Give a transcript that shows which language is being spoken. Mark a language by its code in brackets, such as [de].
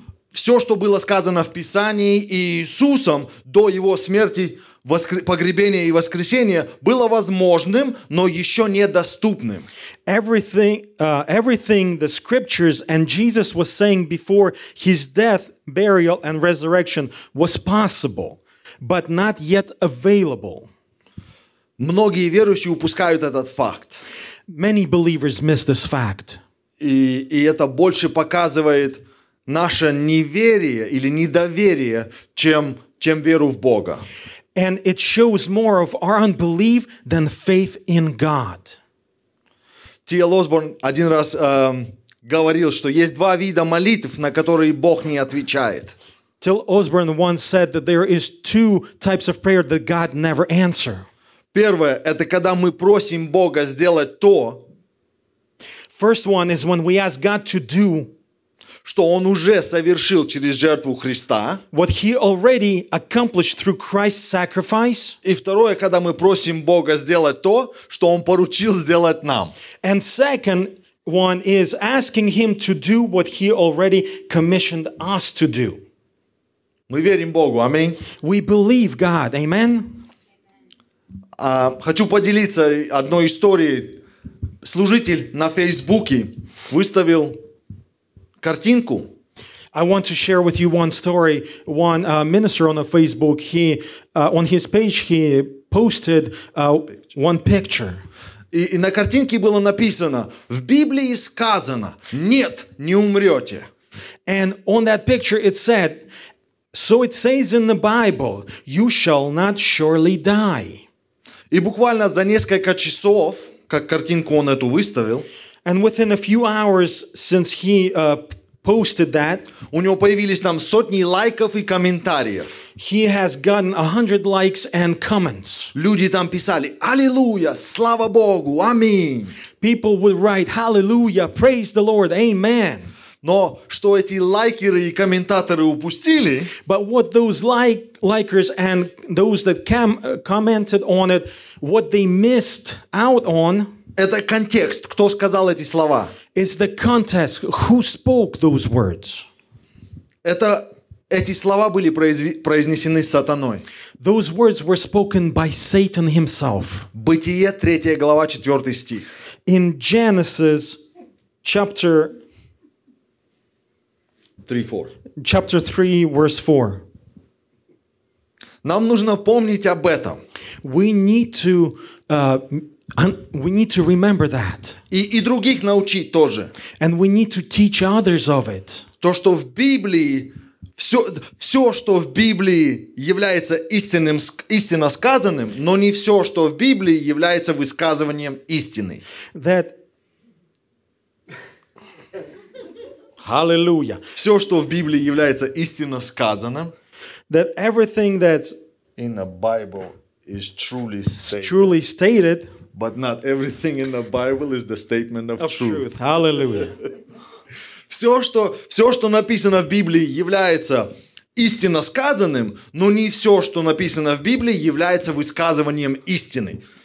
[ru] Все, что было сказано в Писании Иисусом до его смерти, погребения и воскресения, было возможным, но еще недоступным. [en] Everything the scriptures and Jesus was saying before his death, burial and resurrection was possible, but not yet available. [ru] Многие верующие упускают этот факт. [en] Many believers miss this fact. [ru] И это больше показывает наше неверие или недоверие, чем веру в Бога. [en] And it shows more of our unbelief than faith in God. [ru] Т.Л. Осборн один раз говорил, что есть два вида молитв, на которые Бог не отвечает. Т.Л. [en] Осборн once said that there is two types of prayer that God never answers. [ru] Первое – это когда мы просим Бога сделать то, [en] first one is when we ask God to do, [ru] что Он уже совершил через жертву Христа. [en] What He already accomplished through Christ's sacrifice. [ru] И второе, когда мы просим Бога сделать то, что Он поручил сделать нам. [en] And second one is asking Him to do what He already commissioned us to do. [ru] Мы верим Богу, аминь. [en] We believe God, amen. [ru] Хочу поделиться одной историей. Служитель на Фейсбуке выставил картинку. [en] I want to share with you one story. One minister on a Facebook, on his page, he posted one picture. [ru] И на картинке было написано: в Библии сказано, нет, не умрете. [en] And on that picture it said, so it says in the Bible, you shall not surely die. [ru] И буквально за несколько часов, как картинку он эту выставил, [en] and within a few hours since he posted that, [ru] у него появились там сотни лайков и комментариев. [en] He has gotten 100 likes and comments. [ru] Люди там писали: «Аллилуйя! Слава Богу! Аминь!» [en] People would write: «Hallelujah! Praise the Lord! Amen!» [ru] Но что эти лайкеры и комментаторы упустили, [en] but what those likers and those that commented on it, what they missed out on, [ru] это контекст, кто сказал эти слова. [en] It's the context, who spoke those words. [ru] Эти слова были произнесены сатаной. [en] Those words were spoken by Satan himself. [ru] Бытие, 3 глава, 4 стих. [en] In Genesis, chapter 3, verse 4. [ru] Нам нужно помнить об этом. [en] We need to remember that. [ru] И других научить тоже. [en] And we need to teach others of it. [ru] То, что в Библии, все, что в Библии является истинно сказанным, но не все, что в Библии является высказыванием истины. [en] That Hallelujah. [ru] Все, что в Библии является истинно сказанным, [en] that everything that's in the Bible is truly stated. Truly stated. But not everything in the Bible is the statement of truth. Hallelujah. [ru] Все, что написано в Библии, является истинно сказанным, но не все, что написано в Библии, является высказыванием истины.